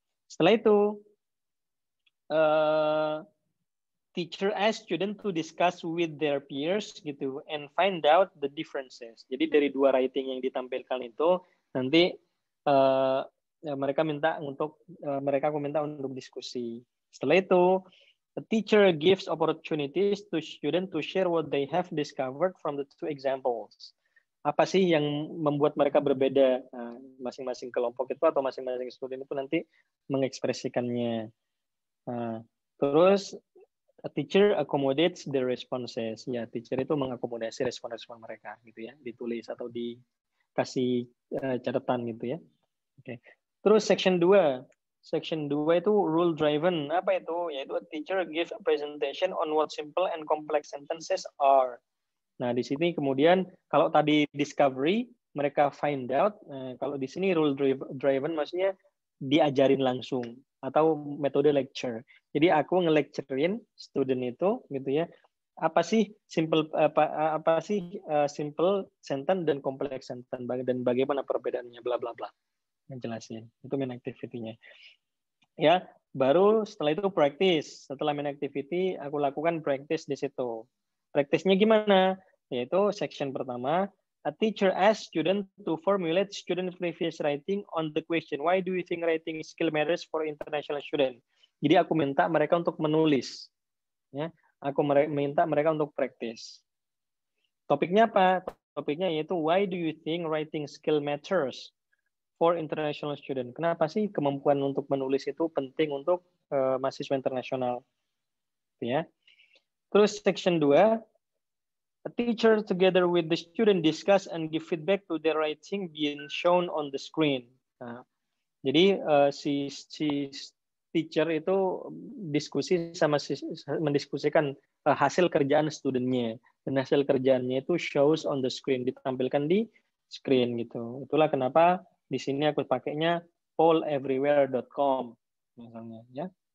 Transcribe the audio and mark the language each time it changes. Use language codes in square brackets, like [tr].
[id] Setelah itu [en] teacher asks student to discuss with their peers gitu and find out the differences. [id] Jadi dari dua writing yang ditampilkan itu nanti aku minta untuk diskusi. Setelah itu, [en] the teacher gives opportunities to student to share what they have discovered from the two examples. [id] Apa sih yang membuat mereka berbeda, masing-masing kelompok itu atau masing-masing student itu nanti mengekspresikannya. [en] Terus a teacher accommodates the responses. [id] Ya, teacher itu mengakomodasi respon-respon mereka, gitu ya. Ditulis atau dikasih catatan, gitu ya. Oke. Okay. Terus section 2. Section 2 itu rule driven. Apa itu? [en] Yaitu a teacher gives a presentation on what simple and complex sentences are. [id] Nah, di sini kemudian kalau tadi discovery, mereka find out. Kalau di sini rule driven, maksudnya diajarin langsung atau metode lecture. Jadi aku nge-lecturein student itu gitu ya. Apa sih simple sentence dan complex sentence dan bagaimana perbedaannya bla bla bla. ngejelasin. Itu main activity-nya. Ya, baru setelah itu practice. Setelah main activity, aku lakukan practice di situ. Practice-nya gimana? Yaitu section pertama, [en] a teacher asks student to formulate student previous writing on the question, why do you think writing skill matters for international student? [id] Jadi aku minta mereka untuk menulis. Ya, aku minta mereka untuk practice. Topiknya apa? Topiknya yaitu [en] why do you think writing skill matters for international student? [id] Kenapa sih kemampuan untuk menulis itu penting untuk mahasiswa internasional? Ya. [en] Terus section 2, a teacher together with the student discuss and give feedback to their writing being shown on the screen. [id] Nah, jadi si teacher itu diskusi sama mendiskusikan hasil kerjaan studentnya. Dan hasil kerjaannya itu [en] shows on the screen, [id] ditampilkan di screen gitu. Itulah kenapa di sini aku pakainya polleverywhere.com misalnya ya.